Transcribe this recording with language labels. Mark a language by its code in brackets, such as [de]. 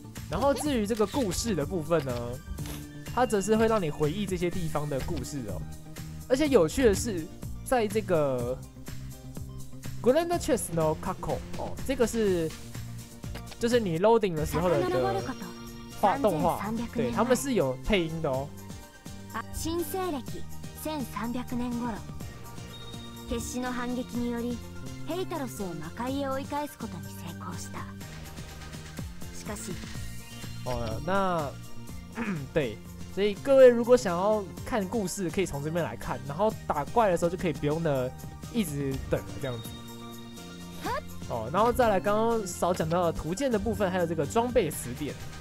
[zh] 然后至于这个故事的部分呢，它则是会让你回忆这些地方的故事哦。而且有趣的是，在这个 Grand Chess no Kako 哦，这个是就是你 loading 的时候的一个画动画，对，他们是有配音的哦。 [ja] 新西暦1300年頃、決死の反撃によりヘイタロスを魔界へ追い返すことに成功した。しかし。 [zh] 哦，那对，所以各位如果想要看故事可以从这边来看，然后打怪的时候就可以不用的一直等这样子。哦，然后再来刚刚少讲到的图鉴的部分，还有这个装备词典。